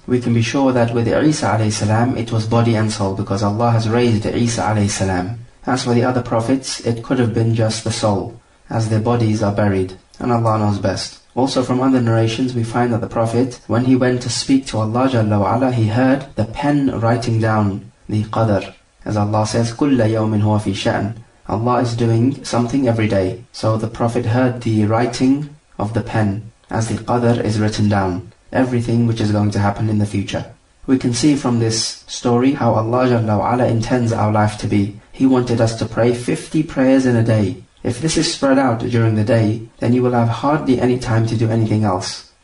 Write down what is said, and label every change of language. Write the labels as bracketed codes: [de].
[en] We can be sure that with Isa alayhi salam, it was body and soul, because Allah has raised Isa alayhi salam. As for the other prophets, it could have been just the soul, as their bodies are buried, and Allah knows best. Also from other narrations, we find that the Prophet, when he went to speak to Allah Jalla wa Ala, he heard the pen writing down the Qadr. As Allah says, [ar] كُلَّ يَوْمٍ هُوَ فِي شَأْنٍ. [en] Allah is doing something every day. So the Prophet heard the writing of the pen, as the Qadr is written down, everything which is going to happen in the future. We can see from this story how Allah Jalla wa Ala intends our life to be. He wanted us to pray 50 prayers in a day. If this is spread out during the day, then you will have hardly any time to do anything else.